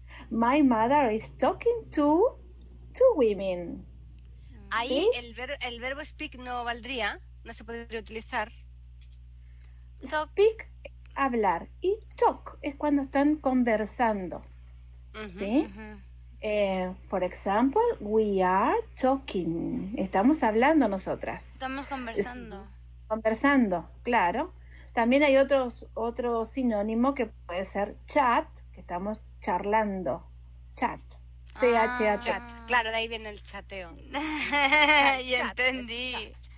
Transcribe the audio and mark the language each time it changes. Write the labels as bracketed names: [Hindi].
[English] My mother is talking to 2 women. [Spanish] Ahí ¿sí? el verbo speak no valdría, no se podría utilizar. [English] Talk. [Spanish] Speak es hablar y talk es cuando están conversando. Uh-huh, ¿sí? Uh-huh. [English] For example, we are talking. [Spanish] Estamos hablando nosotras. Estamos conversando. Conversando, claro. También hay otro sinónimo que puede ser chat, que estamos charlando. Chat. C-H-A-T. Ah, chat. Claro, de ahí viene el chateo. Chat, ya chat, entendí.